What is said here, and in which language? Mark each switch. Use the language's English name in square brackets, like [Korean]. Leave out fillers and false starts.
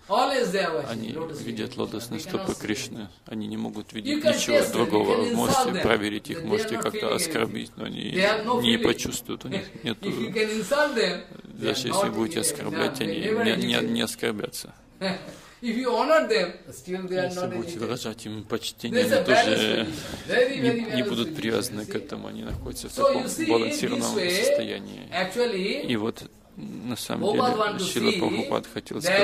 [Russian] Они видят лотосные стопы Кришны, они не могут видеть ничего другого. Можете проверить их, можете как-то оскорбить, но они не почувствуют, у них нету. Даже если будете оскорблять, они не оскорбятся. [English] If you honor them, still they are not. [Russian] Если будете выражать им почтение, они тоже не будут привязаны к этому, они находятся в таком балансированном состоянии. И вот на самом деле Шрила Прабхупада хотел